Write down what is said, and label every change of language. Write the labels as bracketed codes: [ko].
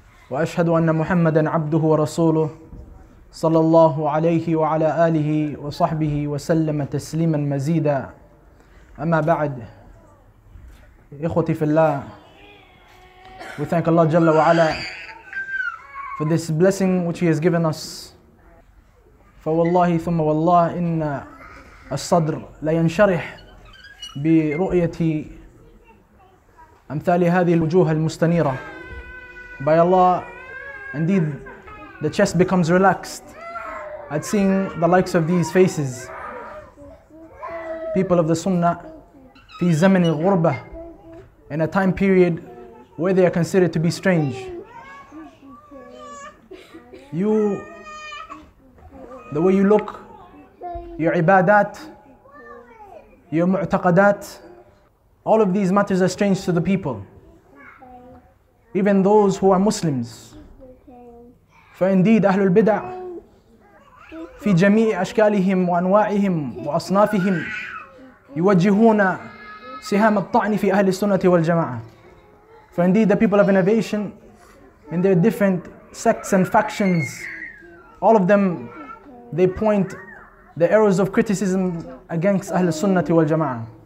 [ar] وأشهد أن محمدا عبده ورسوله صلى الله عليه وعلى آله وصحبه وسلم تسليما مزيدا أما بعد إخوتي في الله [en] we thank Allah Jalla wa Ala for this blessing which He has given us. [ar] فوالله ثم والله إن الصدر لا ينشرح برؤية أمثال هذه الوجوه المستنيرة. [en] By Allah, indeed, the chest becomes relaxed at seeing the likes of these faces. People of the Sunnah, [ar] في زمن الغربة, [en] in a time period where they are considered to be strange. You, the way you look, your ibadat, your mu'taqadat, all of these matters are strange to the people, even those who are Muslims. For indeed, [ar] Ahlul Bid'ah, في جميع أشكالهم وأنواعهم وأصنافهم, يوجهون سهام الطعن في أهل السنة والجماعة. [en] For indeed, the people of innovation, in their different sects and factions, all of them, they point the arrows of criticism against Ahl Sunnah wal Jama'ah.